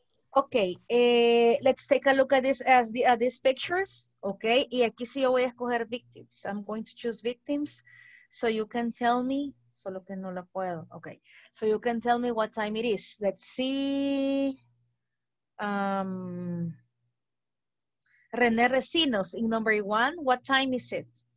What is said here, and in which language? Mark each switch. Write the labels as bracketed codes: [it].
[en] Ok, let's take a look at this at these pictures. [es] Ok, y aquí sí yo voy a escoger victims. [en] I'm going to choose victims. So you can tell me, [es] solo que no la puedo. [en] Ok, so you can tell me what time it is. Let's see. René Recinos, in number one, what time is it?